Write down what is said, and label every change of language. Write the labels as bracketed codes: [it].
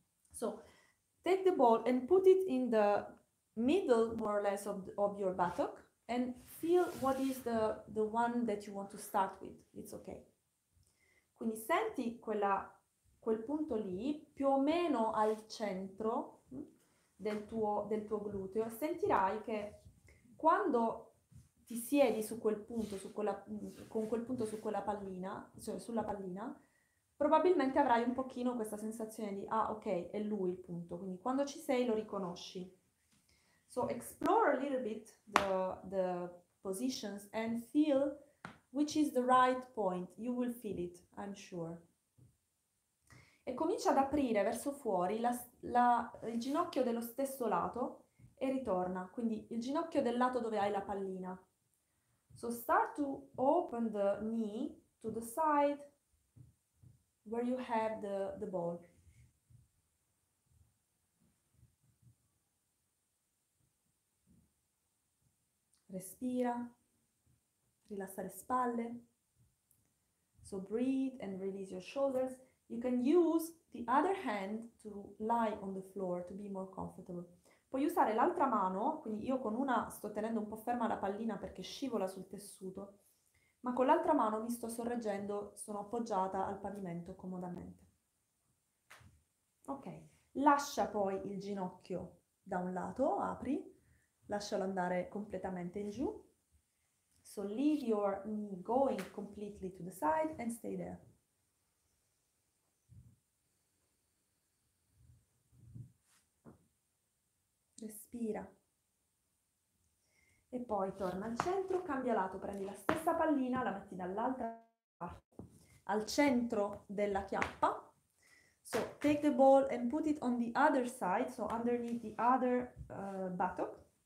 [en] So take the ball and put it in the middle, more or less, of your buttock. And feel what is the one that you want to start with. It's okay. [it] Quindi senti quel punto lì, più o meno al centro del tuo gluteo, sentirai che quando ti siedi su quel punto, con quel punto su quella pallina, cioè sulla pallina, probabilmente avrai un pochino questa sensazione di, ah, ok, è lui il punto. Quindi quando ci sei lo riconosci. [en] So explore a little bit the positions and feel which is the right point. You will feel it, I'm sure. [it] E comincia ad aprire verso fuori il ginocchio dello stesso lato e ritorna, quindi il ginocchio del lato dove hai la pallina. [en] So start to open the knee to the side where you have the ball. [it] Respira, rilassa le spalle. [en] So breathe and release your shoulders. You can use the other hand to lie on the floor to be more comfortable. [it] Puoi usare l'altra mano, quindi io con una sto tenendo un po' ferma la pallina perché scivola sul tessuto, ma con l'altra mano mi sto sorreggendo, sono appoggiata al pavimento comodamente. Ok, lascia poi il ginocchio da un lato, apri. Lascialo andare completamente in giù. [en] So leave your knee going completely to the side and stay there. [it] Respira. E poi torna al centro, cambia lato, prendi la stessa pallina, la metti dall'altra parte, al centro della chiappa. [en] So take the ball and put it on the other side, so underneath the other buttock.